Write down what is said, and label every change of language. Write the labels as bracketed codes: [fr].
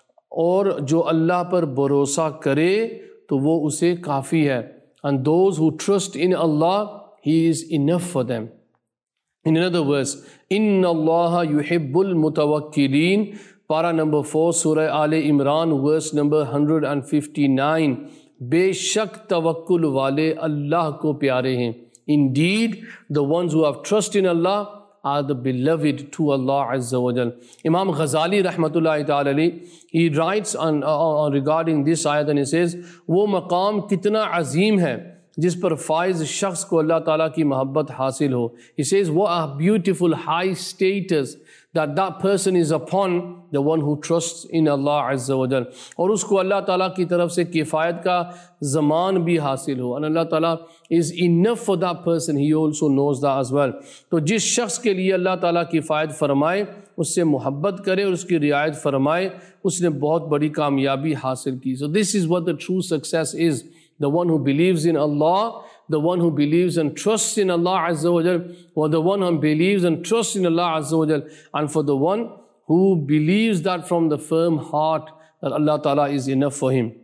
[ur] اور جو اللہ پر بھروسہ کرے تو وہ اسے کافی ہے. [en] And those who trust in Allah, He is enough for them. In another verse, [ar] إِنَّ اللَّهَ يُحِبُّ الْمُتَوَكِّلِينَ. [en] Para number 4, Surah Ali Imran, verse number 159. [ur] بے شک توکل والے اللہ کو پیارے ہیں. [en] Indeed, the ones who have trust in Allah are the beloved to Allah Azza wa Jal. Imam Ghazali rahmatullahi ta'ala li, he writes on regarding this ayat and he says, [ur] وہ مقام کتنا عظیم ہے جس پر فائز شخص کو اللہ تعالیٰ کی محبت حاصل ہو. [en] He says, what a beautiful high status that person is upon, the one who trusts in Allah Azza wa Jal. [ur] اور اس کو اللہ تعالیٰ کی طرف سے کفایت کا زمان بھی حاصل ہو. [en] And Allah تعالیٰ is enough for that person. He also knows that as well. [ur] تو جس شخص کے لیے اللہ تعالیٰ کفایت فرمائے, اس سے محبت کرے اور اس کی رعایت فرمائے, اس نے بہت بڑی کامیابی حاصل کی. [en] So this is what the true success is. The one who believes in Allah, the one who believes and trusts in Allah Azza wa Jal, or the one who believes and trusts in Allah Azza wa Jal, and for the one who believes that from the firm heart that Allah Ta'ala is enough for him.